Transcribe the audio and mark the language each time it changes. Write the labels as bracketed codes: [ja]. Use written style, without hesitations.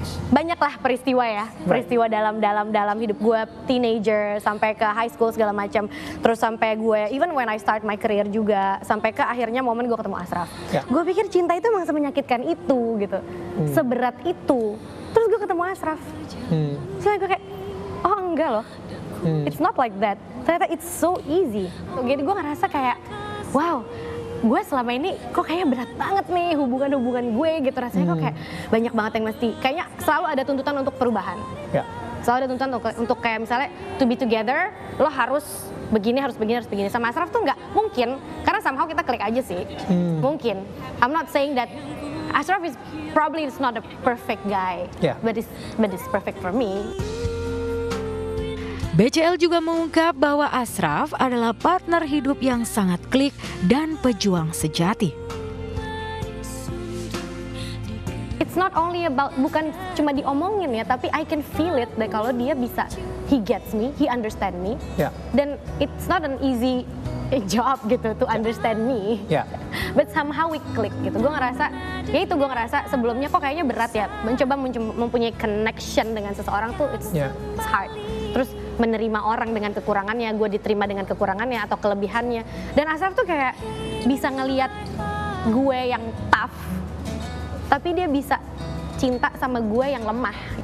[id] Banyaklah peristiwa ya, peristiwa dalam hidup gue, teenager, sampai ke high school segala macam. Terus sampai gue, [en] even when I start my career [id] juga, sampai ke akhirnya momen gue ketemu Ashraf. Ya. Gue pikir cinta itu emang semenyakitkan itu gitu, seberat itu. Terus gue ketemu Ashraf, terus gue kayak, oh enggak loh, [en] it's not like that. [id] Ternyata [en] it's so easy. [id] Jadi gue ngerasa kayak, wow, gue selama ini kok kayak berat banget nih hubungan-hubungan gue gitu. Rasanya kok kayak banyak banget yang mesti, kayaknya selalu ada tuntutan untuk perubahan. [en] Yeah. [id] Selalu ada tuntutan untuk kayak misalnya [en] to be together, [id] lo harus begini, harus begini, harus begini. Sama Ashraf tuh enggak mungkin, karena somehow kita klik aja sih, mungkin. [en] I'm not saying that Ashraf is probably is not a perfect guy, yeah. but it's perfect for me. [id] BCL juga mengungkap bahwa Ashraf adalah partner hidup yang sangat klik dan pejuang sejati. [en] It's not only about, [id] bukan cuma diomongin ya, tapi [en] I can feel it that [id] kalau dia bisa, [en] he gets me, he understand me. Yeah. Then it's not an easy job gitu to understand me. Yeah. But somehow we click gitu. [id] Gue ngerasa, ya itu gue ngerasa sebelumnya kok kayaknya berat ya mencoba mempunyai connection dengan seseorang tuh [en] it's hard. [id] Terus menerima orang dengan kekurangannya, gue diterima dengan kekurangannya atau kelebihannya. Dan Ashraf tuh kayak bisa ngelihat gue yang tough, tapi dia bisa cinta sama gue yang lemah.